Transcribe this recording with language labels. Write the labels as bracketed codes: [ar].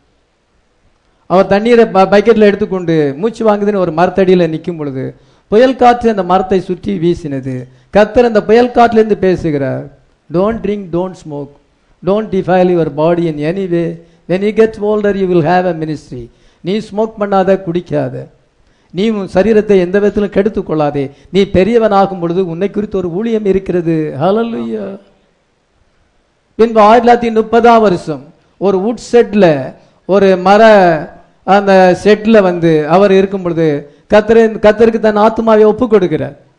[ta] எடுத்துக்கொண்டு மூச்சு வாங்குது ஒரு மரத்தடியில நிக்கும் பொழுது புயல் காற்று அந்த மரத்தை சுற்றி வீசினது. கர்த்தர் அந்த புயல் காற்றுல இருந்து பேசுகிறார், [en] Don't drink, don't smoke, don't defile your body in any way. When you get older, you will have a ministry. [ta] நீ ஸ்மோக் பண்ணாத, குடிக்காத, நீ உன் சரீரத்தை எந்த விதத்திலும் கெடுத்துக் கொள்ளாதே. நீ பெரியவன் ஆகும் பொழுது உன்னை குறித்து ஒரு ஊழியம் இருக்கிறது. ஹல்லேலூயா. பின்பு 1930 ஒரு வுட் செட்ல, ஒரு மர அந்த செட்ல வந்து அவர் இருக்கும் பொழுது கத்தருக்கு தன் ஆத்மாவை ஒப்பு கொடுக்கிறார்.